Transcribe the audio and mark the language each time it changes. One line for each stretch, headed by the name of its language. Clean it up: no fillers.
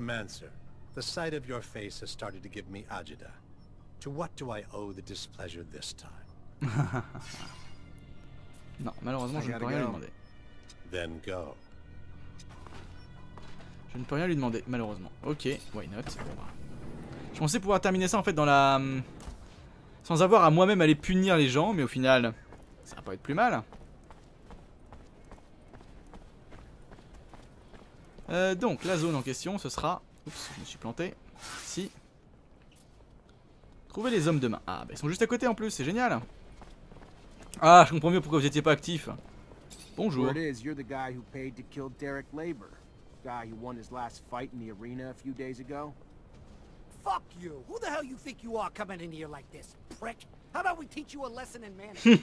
English: Mancer, the sight of your face has started to give me agita. To what do I owe the displeasure this time?
French: Non, malheureusement, je ne peux rien lui demander.
English: Then go.
French: Je ne peux rien lui demander, malheureusement.
English: Ok, why not?
French: Je pensais pouvoir terminer ça, en fait, dans la... Sans avoir à moi-même aller punir les gens, mais au final, ça va pas être plus mal. Donc, la zone en question, ce sera... Oups, je me suis planté. Ici. Trouver les hommes demain. Ah, bah ils sont juste à côté en plus, c'est génial. Ah, je comprends mieux pourquoi vous étiez pas actif. Bonjour.
English: Where it is, you're the guy who paid to kill Derek Labor. The guy who won his last fight in the arena a few days ago. Fuck you! Who the hell you think you are coming in here like this, prick? How about we teach you a lesson in manners?